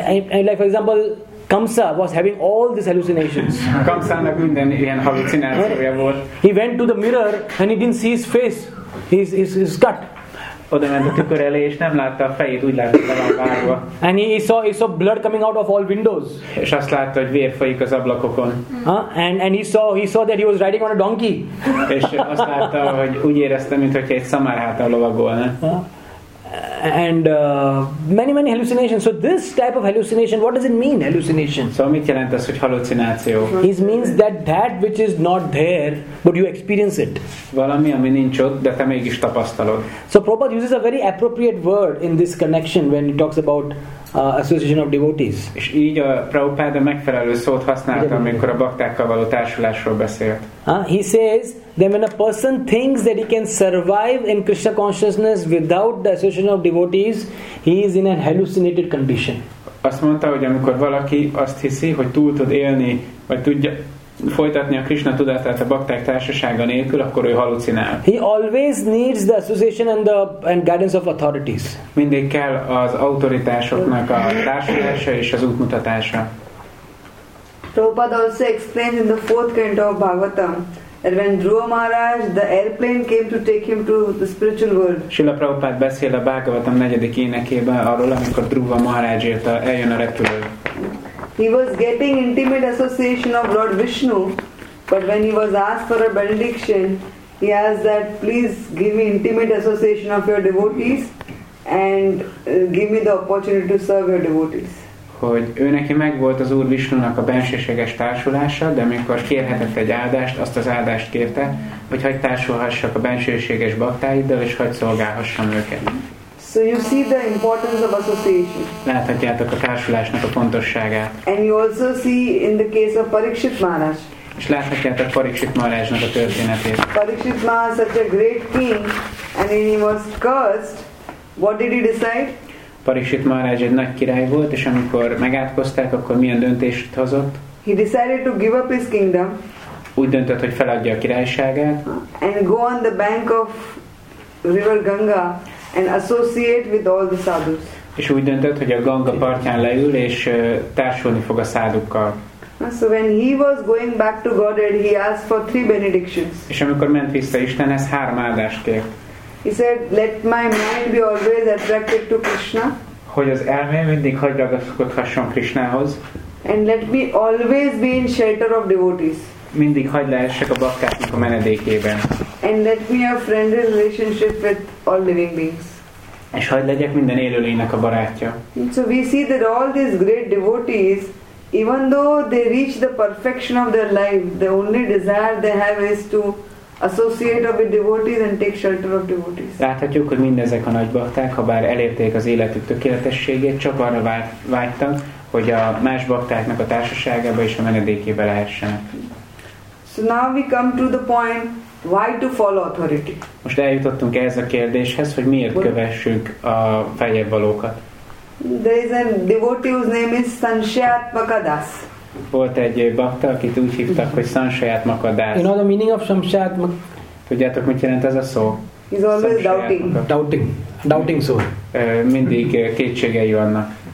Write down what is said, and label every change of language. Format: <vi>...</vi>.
<en>Like for example, Kamsa was having all these hallucinations.</en> <hu>Kamsának minden ilyen hallucinációja volt.</hu> <en>He went to the mirror and he didn't see his face. His gut.</en> <hu>Oda ment a tükör elé és nem látta a fejét, úgy látta, hogy le van vágva.</hu> <en>And he saw blood coming out of all windows.</en> <hu>És azt látta, hogy vér folyik az ablakokon.</hu> <en>And he saw that he was riding on a donkey.</en> <hu>És azt látta, hogy úgy érezte, mint hogyha egy szamárháta lovagolna.</hu> <en>And many hallucinations. So this type of hallucination, what does it mean, hallucination?</en> <hu>So mit jelent az, hogy hallucináció?</hu> <en>It means that which is not there, but you experience it.</en> <hu>Valami, ami nincs ott, de te mégis tapasztalod.</hu> <en>So Prabhupada uses a very appropriate word in this connection when he talks about association of devotees.</en> <hu>És így a Prabhupada megfelelő szót használta, amikor a baktákkal való társulásról beszélt.</hu> <en>He says that when a person thinks that he can survive in Krishna consciousness without the association of devotees, he is in an hallucinated condition.</en> <hu>Azt mondta, hogy amikor valaki azt hiszi, hogy túl tud élni, vagy tudja folytatni a Krishna tudatát a bakták társasága nélkül, akkor ő halucinál.</hu> <en>He always needs the association and guidance of authorities.</en> <hu>Mindig kell az autoritásoknak a társulása és az útmutatása.</hu> <en>Prabhupada also explains in the fourth canto of Bhagavatam that when Dhruva Maharaj, the airplane came to take him to the spiritual world.</en> <hu>Srila Prabhupada beszél a Bhagavatam negyedik énekében arról, amikor Dhruva Maharaj érte, eljön a repülő.</hu> <en>He was getting intimate association of Lord Vishnu, but when he was asked for a benediction, he asked that, please give me intimate association of your devotees and give me the opportunity to serve your devotees.</en> <hu>Hogy ő neki megvolt az Úr Vishnunak a bensőséges társulása, de amikor kérhetett egy áldást, azt az áldást kérte, hogy hagyd társulhassak a bensőséges baktáiddal, és hagyd szolgálhassam őket.</hu> <en>So you see the importance of association.</en> <hu>Láthatjátok a társulásnak a fontosságát.</hu> <en>And you also see in the case of Parikshit Maharaj.</en> <hu>És láthatjátok Parikshit Maharajnak a történetét.</hu> <en>Parikshit Maharaj such a great king, and when he was cursed, what did he decide?</en> <hu>Parikshit Maharaj egy nagy király volt, és amikor megátkozták, akkor milyen döntést hozott?</hu> <en>He decided to give up his kingdom.</en> <hu>Úgy döntött, hogy feladja a királyságát.</hu> <en>And go on the bank of river Ganga and associate with all the sadhus.</en> <hu>És úgy döntött, hogy a Ganga partján leül és társulni fog a szádukkal.</hu> <en>So when he was going back to Godhead, he asked for three benedictions.</en> <hu>És amikor ment vissza Istenhez, három áldást kért.</hu> <en>He said, let my mind be always attracted to Krishna.</en> <hu>Hogy az elmém mindig hagyd ragaszkodhasson Krishnához.</hu> <en>And let me always be in shelter of devotees.</en> <hu>Mindig hagyd lehessek a bakkáknak a menedékében.</hu> <en>And let me have friendly relationship with all living beings.</en> <hu>És hagyd legyek minden élőlénynek a barátja.</hu> <en>And so we see that all these great devotees, even though they reach the perfection of their life, the only desire they have is to associate of devotees and take shelter of devotees.</en> <hu>Láthatjuk, hogy mindezek a nagy bakták, ha bár elérték az életük tökéletességét, csak arra vágytak, hogy a más baktáknak a társaságába és a menedékébe lehessenek.</hu> <en>So now we come to the point, why to follow authority?</en> <hu>Most eljutottunk ehhez a kérdéshez, hogy miért kövessük a feljebb valókat.</hu> <en>There is a devotee whose name is Sanshayatmaka Das.</en> <hu>Volt egy bakta, akit úgy hívtak, hogy Sanshayatmaka Das.</hu> <en>You know the meaning of Sanshayatmaka?</en> <hu>Tudjátok, mit jelent ez a szó?</hu> <en>He's always doubting. Doubting. Doubting soul.</en> <hu>Mindig kétségei vannak.</hu>